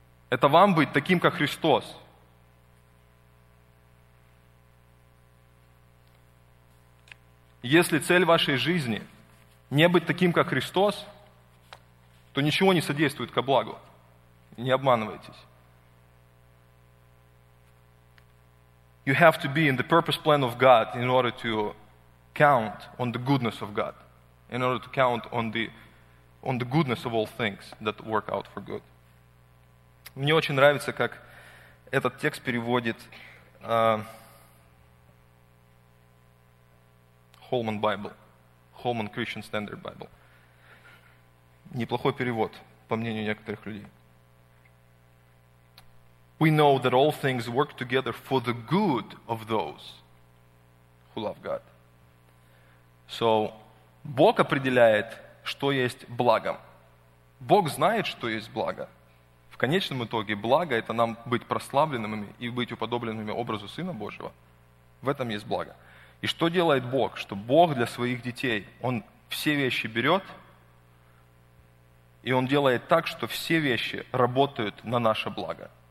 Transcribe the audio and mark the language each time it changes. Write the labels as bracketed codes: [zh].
[ru] Это вам быть таким, как Христос. Если цель вашей жизни не быть таким, как Христос, то ничего не содействует ко благу. Не обманывайтесь. [en] You have to be in the purpose plan of God in order to count on the goodness of God, in order to count on the goodness of all things that work out for good. [ru] Мне очень нравится, как этот текст переводит Holman Bible, Holman Christian Standard Bible. Неплохой перевод, по мнению некоторых людей. [en] We know that all things work together for the good of those who love God. So, [ru] Бог определяет, что есть благом. Бог знает, что есть благо. В конечном итоге благо – это нам быть прославленными и быть уподобленными образу Сына Божьего. В этом есть благо. И что делает Бог? Что Бог для своих детей, Он все вещи берет, и Он делает так, что все вещи работают на наше благо.